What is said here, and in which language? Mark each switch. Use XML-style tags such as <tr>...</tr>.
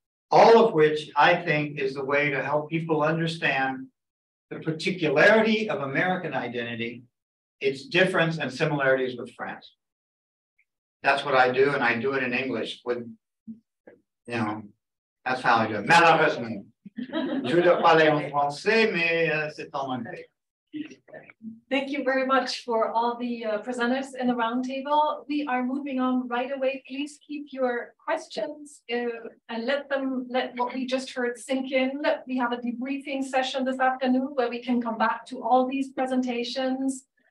<en>All of which I think is the way to help people understand the particularity of American identity, its difference and similarities with France. That's what I do, and I do it in English. With, you know, that's how I do it.</en> <fr>Malheureusement. Je dois parler en français, mais c'est en anglais.</fr> <en>Thank you very much for all the presenters in the roundtable. We are moving on right away. Please keep your questions and let what we just heard sink in. We have a debriefing session this afternoon where we can come back to all these presentations.</en>